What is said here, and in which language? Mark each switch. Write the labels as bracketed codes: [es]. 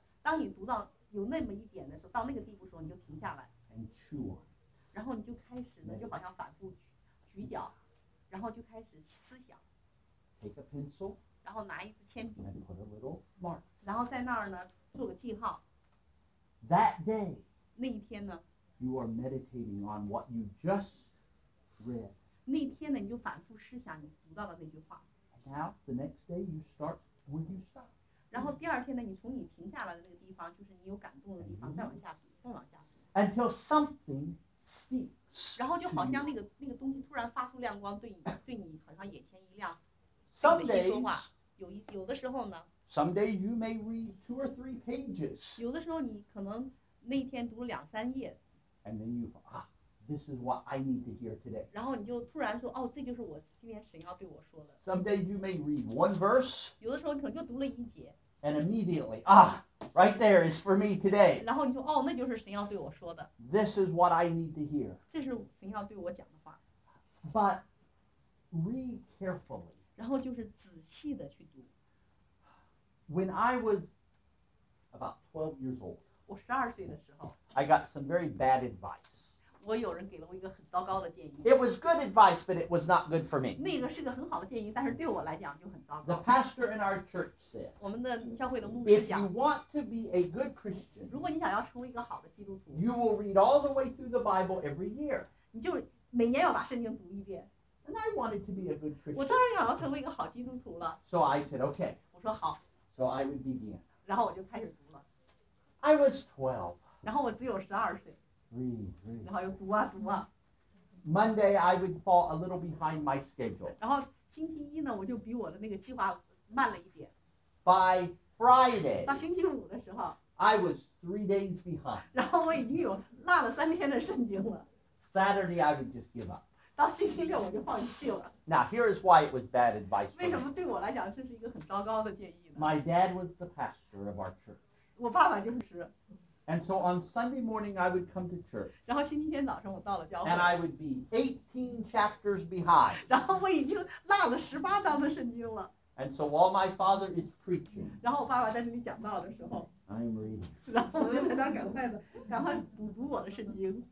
[zh] 当你读到有那么一点的时候，到那个地步的时候，你就停下来。 [en] And chew on. [zh] 然后你就开始呢，就好像反复咀嚼，然后就开始思想。 [en] Take a pencil. [zh] 然后拿一支铅笔。 [en] And put a little mark. [zh] 然后在那儿呢，做个记号。 [en] That day. [zh] 那一天呢？ [en] You are meditating on what you just read. [zh] 那天呢，你就反复思想你读到的那句话。 [en] Now, the next day, you start when you stop. [zh] 然后第二天呢，你从你停下来的那个地方，就是你有感动的地方，再往下读，再往下读。 [en] Until something speaks. [zh] 然后就好像那个东西突然发出亮光，对你好像眼前一亮。 [en] Some days, [zh] 有的时候呢。 [en] Some days you may read two or three pages. [zh] 有的时候你可能那天读了两三页。 [en] And then you thought, ah, this is what I need to hear today. [zh] 然后你就突然说，哦，这就是我今天神要对我说的。 [en] Someday you may read one verse. [zh] 有的时候你可能就读了一节。 [en] And immediately, ah, right there is for me today. [zh] 然后你说，哦，那就是神要对我说的。 [en] This is what I need to hear. [zh] 这是神要对我讲的话。 [en] But read carefully. [zh] 然后就是仔细的去读。 [en] When I was about 12 years old. [zh] 我十二岁的时候。 [en] I got some very bad advice. [zh] 我有人给了我一个很糟糕的建议。 [en] It was good advice, but it was not good for me. [zh] 那个是个很好的建议，但是对我来讲就很糟糕。 [en] The pastor in our church said. [zh] 我们的教会的牧师讲。 [en] If you want to be a good Christian. [zh] 如果你想要成为一个好的基督徒。 [en] You will read all the way through the Bible every year. [zh] 你就每年要把圣经读一遍。 [en] And I wanted to be a good Christian. [zh] 我当然想要成为一个好基督徒了。 [en] So I said, okay. [zh] 我说好。 [en] So I would begin. [zh] 然后我就开始读了。 [en] I was 12. [zh] 然后我只有十二岁 [en] read. [zh] 然后又读啊读啊 [en] Monday I would fall a little behind my schedule [zh] 然后星期一呢我就比我的那个计划慢了一点 [en] By Friday [zh] 到星期五的时候 [en] I was 3 days behind [zh] 然后我已经有落了三天的圣经了 [en] Saturday I would just give up [zh] 到星期六我就放弃了 [en] Now here is why it was bad advice [zh] 为什么对我来讲这是一个很糟糕的建议呢 [en] My dad was the pastor of our church [zh] 我爸爸就是 [en] And so on Sunday morning, I would come to church. [zh] 然后星期天早上我到了教会。 [en] And I would be 18 chapters behind. [zh] 然后我已经落了十八章的圣经了。 [en] And so while my father is preaching. [zh] 然后我爸爸在这里讲道的时候。 [en] I'm reading. [zh] 然后我就在那赶快补读我的圣经。